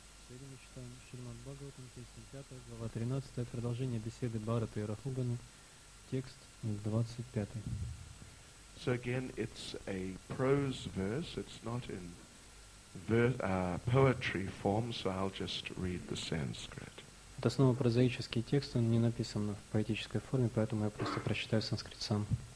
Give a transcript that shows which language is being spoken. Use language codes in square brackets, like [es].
[ru] Сегодня мы читаем Шримад Бхагаватам, песня 5, глава 13, продолжение беседы Бхарата и Рахуганы, текст 25. [en] So again, it's a prose verse, it's not in poetry form, so I'll just read the Sanskrit. [ru] Это снова прозаический текст, он не написан в поэтической форме, поэтому я просто прочитаю санскрит сам.